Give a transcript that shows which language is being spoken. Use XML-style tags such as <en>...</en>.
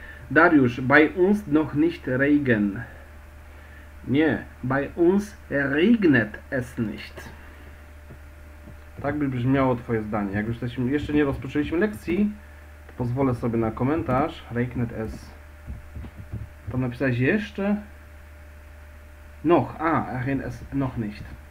<de>Dariusz, bei uns noch nicht regen. Nie, bei uns regnet es nicht.</de> <pl>Tak by brzmiało twoje zdanie. Jak już jeszcze nie rozpoczęliśmy lekcji, to pozwolę sobie na komentarz.</pl> <de>Regnet es.</de> <pl>To napisałeś jeszcze?</pl> <de>Noch, regnet es noch nicht.</de>